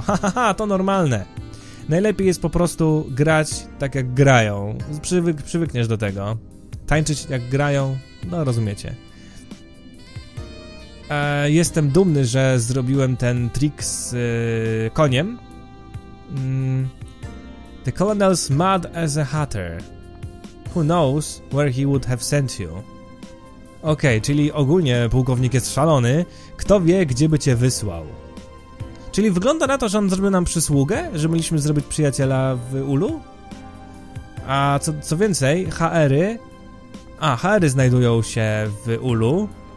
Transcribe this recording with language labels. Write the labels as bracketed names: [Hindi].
[Polish] Ha, ha, ha, to normalne. Najlepiej jest po prostu grać tak, jak grają. Przywykniesz do tego. Tańczyć jak grają, no rozumiecie. Jestem dumny, że zrobiłem ten trik z koniem. [English] The colonel's mad as a hatter. Who knows where he would have sent you. [Polish] Okej, czyli ogólnie pułkownik jest szalony. Kto wie, gdzie by cię wysłał? Czyli wygląda na to, że on zrobił nam przysługę? Że mieliśmy zrobić przyjaciela w Ulu? A co więcej, HR-y... A, HR-y znajdują się w Ulu.